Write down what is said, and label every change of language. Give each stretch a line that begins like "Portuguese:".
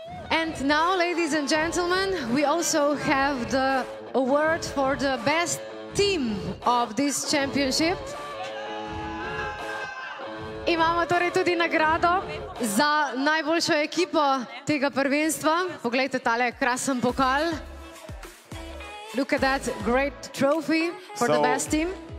English: And now, ladies and gentlemen, we also have the award for the best team of this championship.
Slovenian: Imamo torej tudi nagrado za najboljšo ekipo tega prvenstva. Poglejte tale krasen pokal.
English: Look at that great trophy for the best team.